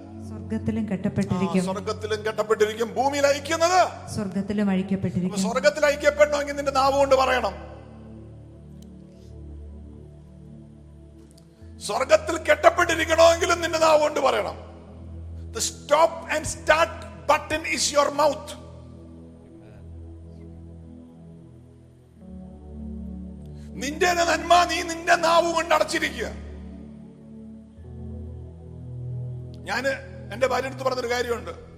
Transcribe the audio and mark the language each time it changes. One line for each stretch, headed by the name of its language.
Malayalam: സ്വർഗത്തിലും കെട്ടപ്പെട്ടിരിക്കും. ഭൂമിയിൽ അയക്കുന്നത് സ്വർഗത്തിലും അഴിക്കപ്പെട്ടിരിക്കും. സ്വർഗത്തിൽ ഐക്യപ്പെടണമെങ്കിൽ നിന്റെ നാവ് കൊണ്ട് പറയണം. സ്വർഗത്തിൽ കെട്ടപ്പെട്ടിരിക്കണമെങ്കിലും നിന്റെ നാവ് കൊണ്ട് പറയണം.
English: The stop and start button is your mouth.
Malayalam: നിന്റെ നന്മ നീ നിന്റെ നാവ് കൊണ്ട് അടച്ചിരിക്കുക. ഞാന് എന്റെ ഭാര്യ അടുത്ത് പറഞ്ഞൊരു കാര്യമുണ്ട്.